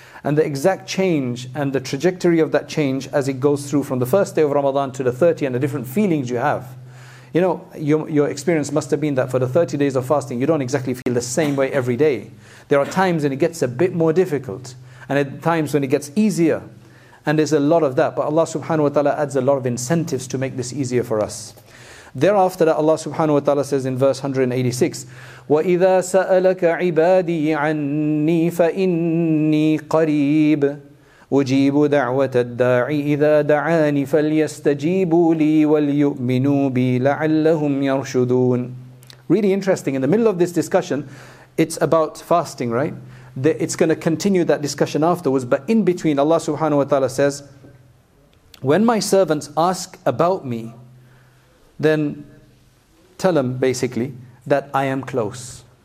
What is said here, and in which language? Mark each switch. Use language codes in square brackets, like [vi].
[en] And the exact change and the trajectory of that change as it goes through from the first day of Ramadan to the 30 and the different feelings you have. You know, your experience must have been that for the 30 days of fasting, you don't exactly feel the same way every day. There are times when it gets a bit more difficult and at times when it gets easier. And there's a lot of that. But Allah subhanahu wa ta'ala adds a lot of incentives to make this easier for us. Thereafter, Allah subhanahu wa ta'ala says in verse 186, [ar] وَإِذَا سَأَلَكَ عِبَادِي عَنِّي فَإِنِّي قَرِيبٌ أُجِيبُ دَعْوَةَ الدَّاعِ إِذَا دَعَانِ فَلْيَسْتَجِيبُوا لِي وَلْيُؤْمِنُوا بِي لَعَلَّهُمْ يَرْشُدُونَ. [en] Really interesting. In the middle of this discussion, it's about fasting, right? It's going to continue that discussion afterwards. But in between, Allah subhanahu wa ta'ala says, when my servants ask about me, then tell them basically that I am close.